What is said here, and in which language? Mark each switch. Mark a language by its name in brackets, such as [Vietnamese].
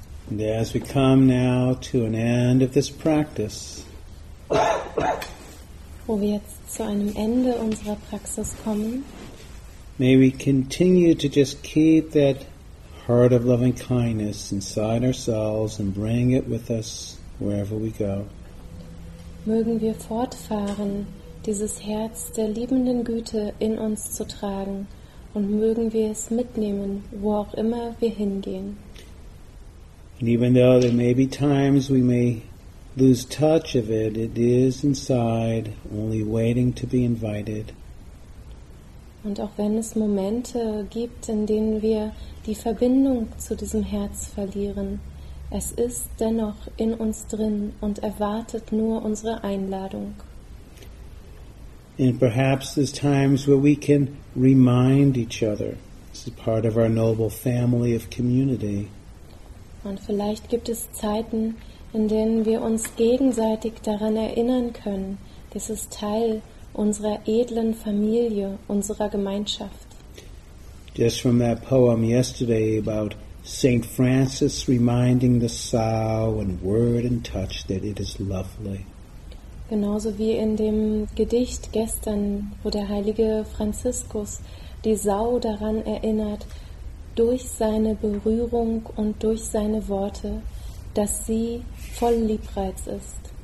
[English] And as we come now to an end of this practice, [German] wo wir jetzt zu einem Ende unserer Praxis kommen, [English] may we continue to just keep that heart of loving kindness inside ourselves and bring it with us wherever we go. [German] Mögen wir fortfahren, dieses Herz der liebenden Güte in uns zu tragen, und mögen wir es mitnehmen, wo auch immer wir hingehen. [English] And even though there may be times we may lose touch of it, it is inside, only waiting to be invited. [German] Und auch wenn es Momente gibt, in denen wir die Verbindung zu diesem Herz verlieren, es ist dennoch in uns drin und erwartet nur unsere Einladung. [English] And perhaps there's times where we can remind each other. This is part of our noble family of community. [German] Und vielleicht gibt es Zeiten, in denen wir uns gegenseitig daran erinnern können, das ist Teil unserer edlen Familie, unserer Gemeinschaft. [English] Just from that poem yesterday about St. Francis reminding the sow in word and touch that it is lovely. [German] Genauso wie in dem Gedicht gestern, wo der heilige Franziskus die Sau daran erinnert, durch seine Berührung und durch seine Worte, dass sie voll Liebreiz ist.